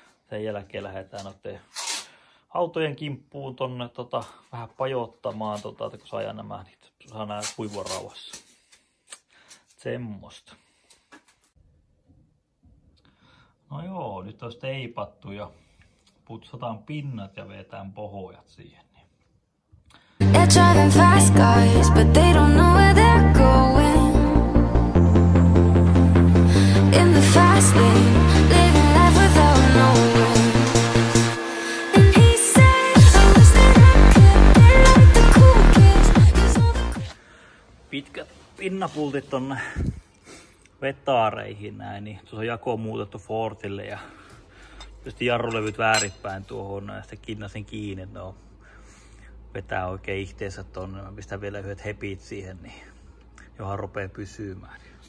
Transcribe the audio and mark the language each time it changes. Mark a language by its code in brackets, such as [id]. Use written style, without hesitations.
[fi] Sen jälkeen lähdetään autojen kimppuun tonne vähän pajottamaan, että kun saa nämä, niin saa nämä kuivua rauhassa. Semmosta. No joo, nyt olisi teipattu ja putsataan pinnat ja vetään pohojat siihen. [en] They're driving fast cars, but they don't know where they're going. In the fast lane, living life without knowing. And he said, I wish that I could be like the cool kids. [fi] Pitkät pinnapultit tonne vetaareihin näin, niin tuossa jako on muutettu Fortille ja tietysti jarrulevyt väärinpäin tuohon ja sitten kinnasin kiinni, no vetää oikein ihteensä tonne, mä pistän vielä yhdet hepit siihen, niin johan rupeaa pysymään.